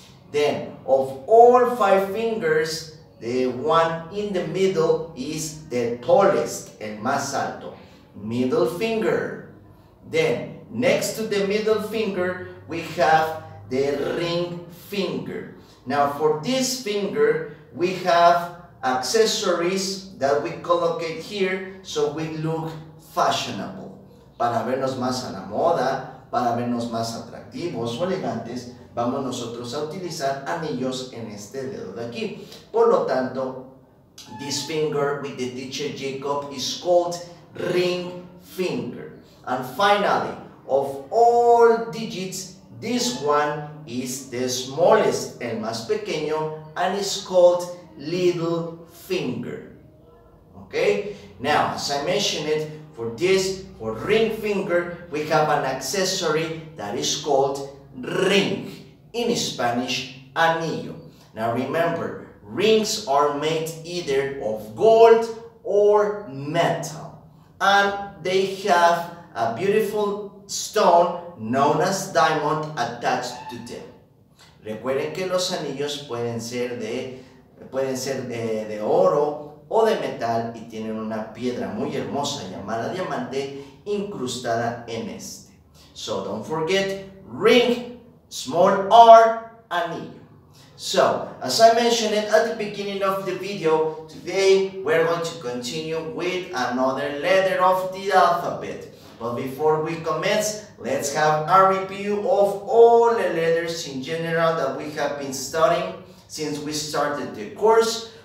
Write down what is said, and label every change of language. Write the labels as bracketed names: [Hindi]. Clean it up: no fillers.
[English] Then, of all five fingers, the one in the middle is the tallest, [Spanish] el más alto, [English] middle finger. Then, next to the middle finger, we have the ring finger. Now, for this finger, we have accessories that we collocate here so we look fashionable. [Spanish] Para vernos más a la moda, para vernos más atractivos o elegantes, vamos nosotros a utilizar anillos en este dedo de aquí. Por lo tanto, [English] this finger with the teacher Jacob is called ring finger. And finally, of all digits, this one is the smallest, [Spanish] el más pequeño, [English] and it's called little finger, okay? Now, as I mentioned it, for this, for ring finger, we have an accessory that is called ring, in Spanish, anillo. Now remember, rings are made either of gold or metal, and they have a beautiful stone known as diamond attached to them. [Spanish] Recuerden que los anillos pueden ser de oro o de metal y tienen una piedra muy hermosa llamada diamante incrustada en este. [English] So don't forget, ring, small R, anillo. So, as I mentioned it at the beginning of the video, today we're going to continue with another letter of the alphabet. But before we commence, let's have a review of all the letters in general that we have been studying since we started the course.